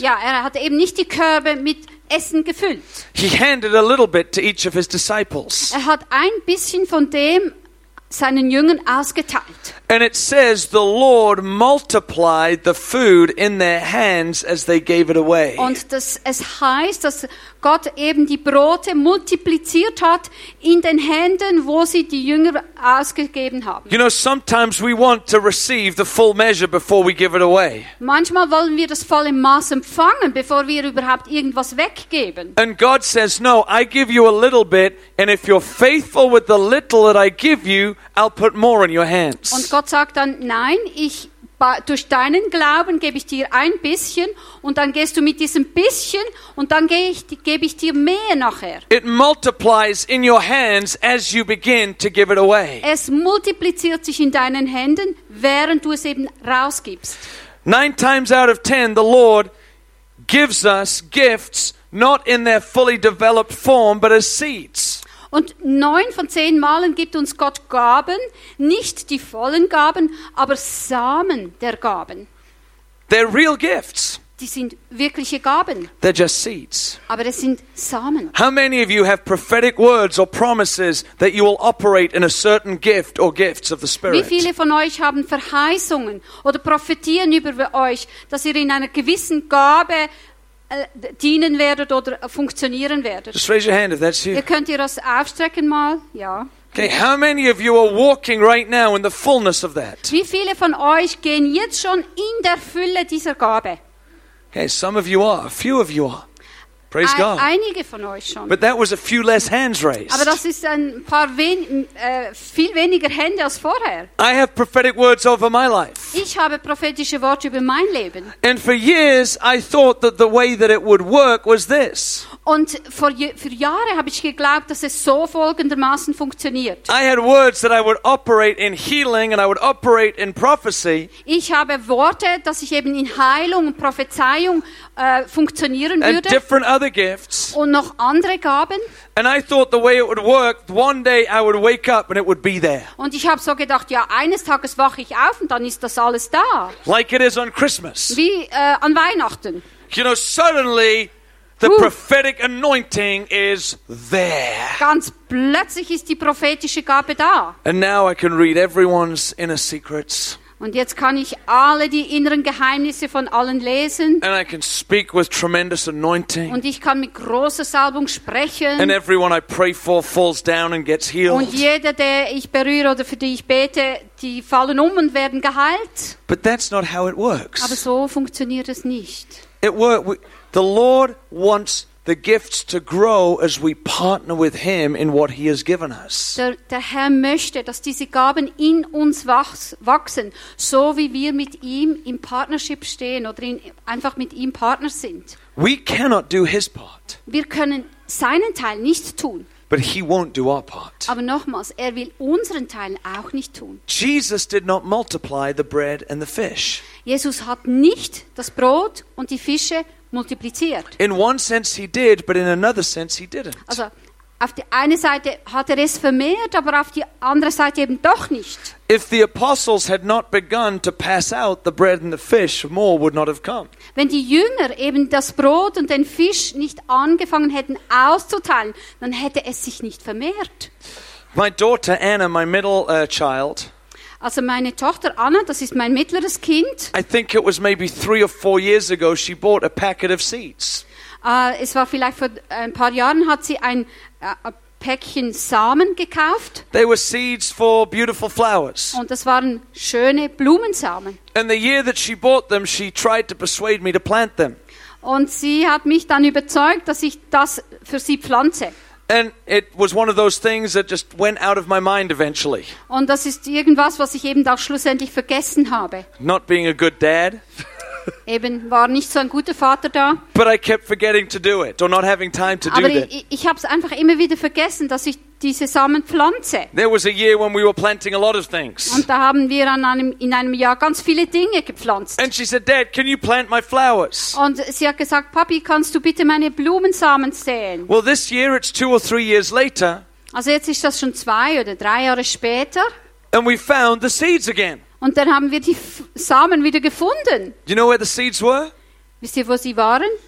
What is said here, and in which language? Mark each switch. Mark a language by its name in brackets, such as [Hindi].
[German] Ja, er hatte eben nicht die Körbe mit Essen gefüllt. [English] He handed a little bit to each of his disciples. [German] Er hat ein bisschen von dem seinen Jüngern ausgeteilt. [English] And it says the Lord multiplied the food in their hands as they gave it away. [German] Und das, es heißt, dass Gott eben die Brote multipliziert hat in den Händen, wo sie die Jünger ausgegeben haben. [English] You know, sometimes we want to receive the full measure before we give it away. [German] Manchmal wollen wir das volle Maß empfangen, bevor wir überhaupt irgendwas weggeben. [English] And God says, no, I give you a little bit, and if you're faithful with the little that I give you, I'll put more in your hands. [German] Und Gott sagt dann, nein, ich durch deinen Glauben gebe ich dir ein bisschen und dann gehst du mit diesem bisschen und dann gebe ich dir mehr nachher. [English] It multiplies in your hands as you begin to give it away. [German] Es multipliziert sich in deinen Händen, während du es eben rausgibst. [English] 9 times out of 10, the Lord gives us gifts not in their fully developed form, but as seeds. [German] Und 9 von 10 Malen gibt uns Gott Gaben, nicht die vollen Gaben, aber Samen der Gaben. [English] They're real gifts. [German] Die sind wirkliche Gaben. [English] They're just seeds. [German] Aber das sind Samen. [English] How many of you have prophetic words or promises that you will operate in a certain gift or gifts of the Spirit? [German] Wie viele von euch haben Verheißungen oder prophetieren über euch, dass ihr in einer gewissen Gabe dienen werdet oder funktionieren werdet? [English] Just raise your hand if that's you. [German] Ihr könnt ihr das aufstrecken mal, ja. [English] Okay, how many of you are walking right now in the fullness of that? [German] Wie viele von euch gehen jetzt schon in der Fülle dieser Gabe? [English] Okay, some of you are, a few of you are. Praise God. [German] Einige von euch schon. [English] But that was a few less hands raised. [German] Aber das ist ein paar viel weniger Hände als vorher. [English] I have prophetic words over my life. [German] Ich habe prophetische Worte über mein Leben. [English] And for years I thought that the way that it would work was this. [German] Und für Jahre habe ich geglaubt, dass es so folgendermaßen funktioniert. [English] I had words that I would operate in healing and I would operate in prophecy. [German] Ich habe Worte, dass ich eben in Heilung und Prophezeiung funktionieren würde. [English] And different other gifts. [German] Und noch andere Gaben. [English] And I thought the way it would work, one day I would wake up and it would be there. [German] Und ich habe so gedacht, ja, eines Tages wache ich auf und dann ist das alles da. [English] Like it is on Christmas. [German] Wie an Weihnachten. [English] You know, suddenly the prophetic anointing is there. [German] Ganz plötzlich ist die prophetische Gabe da. [English] And now I can read everyone's inner secrets. [German] Und jetzt kann ich alle die inneren Geheimnisse von allen lesen. [English] And I can speak with tremendous anointing. [German] Und ich kann mit großer Salbung sprechen. [English] And everyone I pray for falls down and gets healed. [German] Und jeder, der ich berühre oder für die ich bete, die fallen um und werden geheilt. [English] But that's not how it works. [German] Aber so funktioniert es nicht. [English] It works. The Lord wants the gifts to grow as we partner with Him in what He has given us. [German] Der Herr möchte, dass diese Gaben in uns wachsen, so wie wir mit ihm in Partnership stehen oder einfach mit ihm Partner sind. [English] We cannot do His part. [German] Wir können seinen Teil nicht tun. [English] But He won't do our part. [German] Aber nochmals, er will unseren Teil auch nicht tun. [English] Jesus did not multiply the bread and the fish. [German] Jesus hat nicht das Brot und die Fische multipliziert. [English] In one sense he did, but in another sense he didn't. [German] Also, auf die eine Seite hat er es vermehrt, aber auf die andere Seite eben doch nicht. [English] If the apostles had not begun to pass out the bread and the fish, more would not have come. [German] Wenn die Jünger eben das Brot und den Fisch nicht angefangen hätten auszuteilen, dann hätte es sich nicht vermehrt. [English] My daughter Anna, my middle child. [German] Also meine Tochter Anna, das ist mein mittleres Kind. [English] I think it was maybe 3 or 4 years ago she bought a packet of seeds. [German] Es war vielleicht vor ein paar Jahren hat sie ein Päckchen Samen gekauft. [English] They were seeds for beautiful flowers. [German] Und das waren schöne Blumensamen. [English] And the year that she bought them, she tried to persuade me to plant them. [German] Und sie hat mich dann überzeugt, dass ich das für sie pflanze. [English] And it was one of those things that just went out of my mind eventually. [German] Und das ist irgendwas, was ich eben auch schlussendlich vergessen habe. [English] Not being a good dad. [German] Eben war nicht so ein guter Vater da. [English] But I kept forgetting to do it or not having time to do it. [German] Aber ich habe es einfach immer wieder vergessen, dass ich diese Samen pflanze. [English] There was a year when we were planting a lot of things. [German] Und da haben wir in einem Jahr ganz viele Dinge gepflanzt. [English] And she said, "Dad, can you plant my flowers?" [German] Und sie hat gesagt, Papi, kannst du bitte meine Blumensamen säen? [English] Well, this year it's 2 or 3 years later. [German] Also jetzt ist das schon 2 oder 3 Jahre später. [English] And we found the seeds again. [German] Und dann haben wir die Samen wieder gefunden. [English] Do you know where the seeds were? [German] Wisst ihr, wo sie waren?